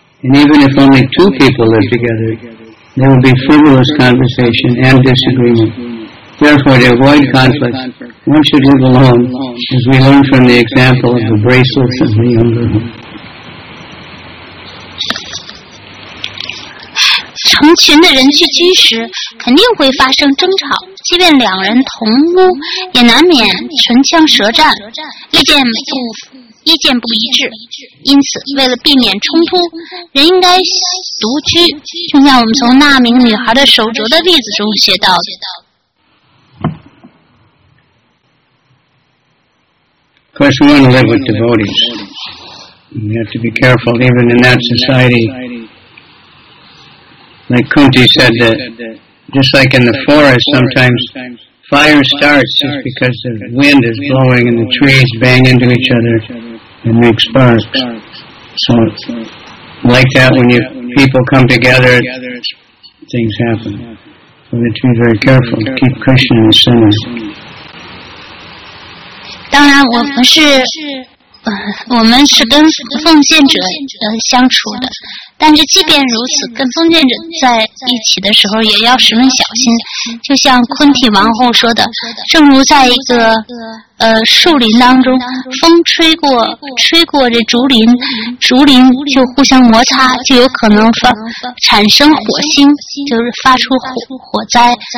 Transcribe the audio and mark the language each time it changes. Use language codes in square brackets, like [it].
[en] And even if only two people live together, there will be frivolous conversation and disagreement. Therefore, to avoid conflict, one should live alone, as we learn from the example of the bracelets and the younger one. [zh] 成群的人聚居时，肯定会发生争吵，即便两人同屋，也难免唇枪舌战，意见不一致。因此，为了避免冲突，人应该独居，就像我们从那名女孩的手镯的例子中学到的。 [en] course, we want to live with devotees. We have to be careful, even in that society. Like Kunti said, that just like in the forest, sometimes fire starts just because the wind is blowing and the trees bang into each other and make sparks. So, like that, when you people come together, things happen. So we have to be very careful to keep Krishna in the center. [zh] 当然我们是我们是跟奉献者相处的，但是即便如此，跟奉献者在一起的时候也要十分小心。就像昆体王后说的，正如在一个树林当中，风吹过这竹林，竹林就互相摩擦，就有可能产生火星，就是发出火灾。